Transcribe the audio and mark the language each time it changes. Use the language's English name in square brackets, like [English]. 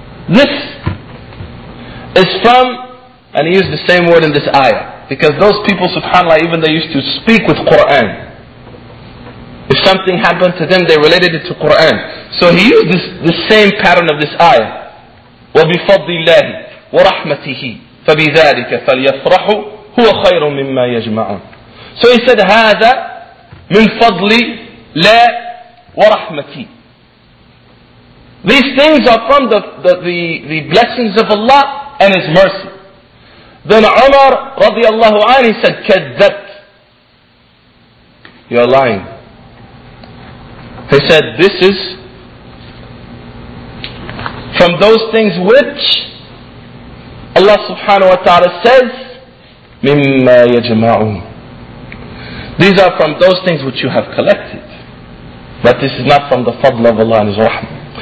[English] This is from, and he used the same word in this ayah, because those people, subhanAllah, even they used to speak with Qur'an. If something happened to them, they related it to Qur'an. So he used this, the same pattern of this ayah, [Arabic] وَبِفَضْلِ اللَّهِ وَرَحْمَتِهِ فَبِذَٰلِكَ فَلْيَفْرَحُ هُوَ خَيْرٌ مِمَّا يَجْمَعُونَ. [English] So he said, [Arabic] هَذَا مِنْ فَضْلِ لَا وَرَحْمَتِي. [English] These things are from the blessings of Allah and His mercy. Then Umar رضي الله عنه said, [Arabic] كَذَّبْت. [English] You're lying. He said, this is from those things which Allah subhanahu wa ta'ala says, [Arabic] مِمَّا يَجْمَعُونَ. [English] These are from those things which you have collected. But this is not from the fadl of Allah and His rahmah.